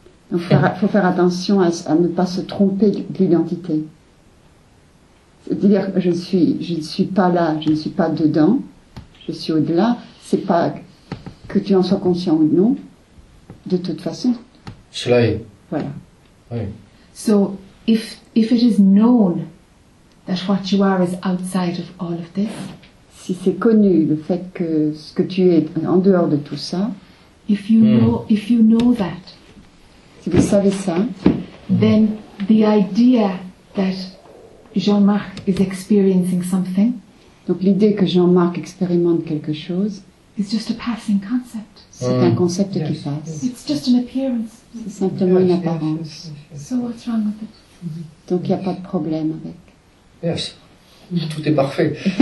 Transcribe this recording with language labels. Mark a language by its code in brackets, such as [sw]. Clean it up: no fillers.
[fr] Donc, faut faire attention à ne pas se tromper d'identité. C'est-à-dire, je ne suis pas là, je ne suis pas dedans, je suis au-delà. C'est pas que tu en sois conscient ou non, de toute façon. Cela est. Voilà. Oui. [en] So, if it is known that what you are is outside of all of this, [fr] si c'est connu le fait que ce que tu es en dehors de tout ça, [en] if you know that, [fr] si vous savez ça, [en] then the idea that Jean-Marc is experiencing something, [fr] donc l'idée que Jean-Marc expérimente quelque chose, [en] it's just a passing concept. [fr] C'est un concept qui passe. [en] It's just an appearance. [fr] C'est simplement une apparence. [en] So what's wrong with it? [fr] Donc il n'y a pas de problème avec. Yes. Tout est parfait.